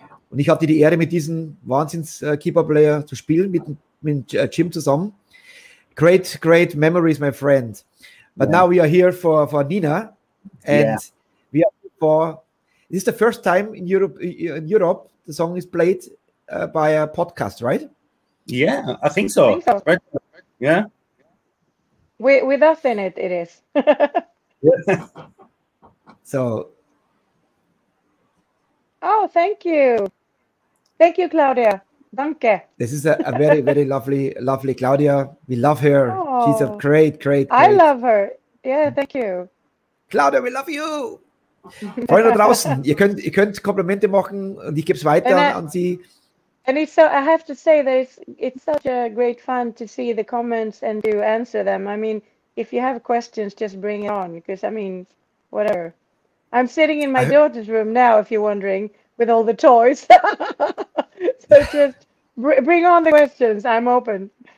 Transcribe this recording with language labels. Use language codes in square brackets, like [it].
[de] Und ich hatte die Ehre, mit diesem Wahnsinns-Keeper-Player zu spielen, mit Jim zusammen. [en] Great, great memories, my friend. But yeah. Now we are here for Nina. And yeah. This is the first time in Europe the song is played by a podcast, right? Yeah, I think so. Right. Yeah. With us in it, it is. So. Oh, thank you. Thank you, Claudia. [de] Danke. [en] This is a very, very lovely, lovely Claudia. We love her. Oh, she's a great, great, great. I love her. Yeah, thank you. Claudia, we love you. [de] Freunde draußen, ihr könnt Komplimente machen und ich gebe es weiter an sie. [en] And it's so, I have to say that it's such a great fun to see the comments and to answer them. I mean, if you have questions, just bring it on, because I mean, whatever. I'm sitting in my daughter's room now, if you're wondering, with all the toys. So just bring on the questions. I'm open.